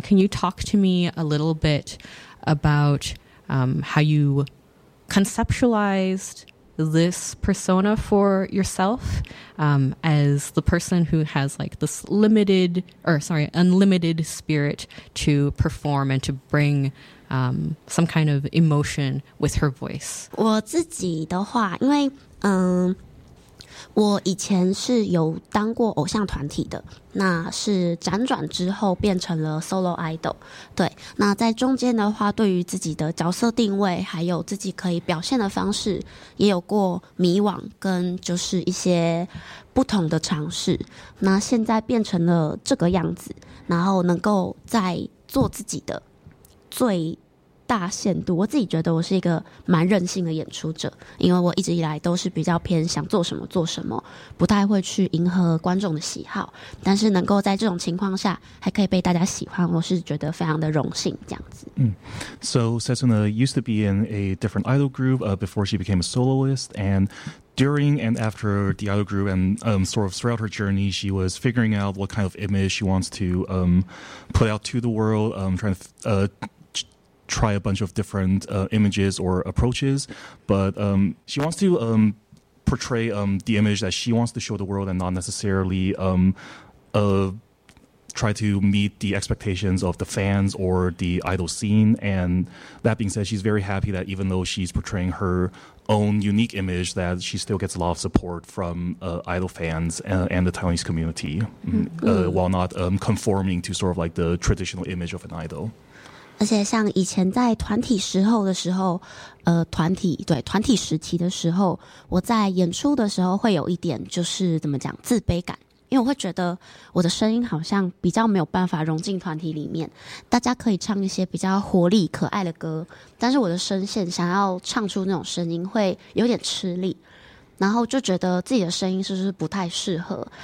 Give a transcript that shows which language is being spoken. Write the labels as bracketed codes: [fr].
[en] Can you talk to me a little bit about how you conceptualized this persona for yourself as the person who has like this unlimited spirit to perform and to bring some kind of emotion with her voice? [zh] 我自己的话，因为我以前是有当过偶像团体的，那是辗转之后变成了 solo idol。对，那在中间的话，对于自己的角色定位还有自己可以表现的方式也有过迷惘跟就是一些不同的尝试，那现在变成了这个样子，然后能够在做自己的最大限度。我自己觉得我是一个蛮任性的演出者，因为我一直以来都是比较偏想做什么做什么，不太会去迎合观众的喜好，但是能够在这种情况下还可以被大家喜欢，我是觉得非常的荣幸这样子。 [en] So Cezanne used to be in a different idol group before she became a soloist, andDuring and after the idol group and sort of throughout her journey, she was figuring out what kind of image she wants to put out to the world, trying to try a bunch of different images or approaches. But she wants to portray the image that she wants to show the world and not necessarily try to meet the expectations of the fans or the idol scene. And that being said, she's very happy that even though she's portraying her own unique image, that she still gets a lot of support from idol fans and the Taiwanese community, while not conforming to sort of like the traditional image of an idol. [zh] 而且像以前在团体时候的时候，团体对团体时期的时候，我在演出的时候会有一点就是怎么讲自卑感，因为我会觉得我的声音好像比较没有办法融进团体里面。大家可以唱一些比较活力可爱的歌，但是我的声线想要唱出那种声音会有点吃力，然后就觉得自己的声音是不是不太适合。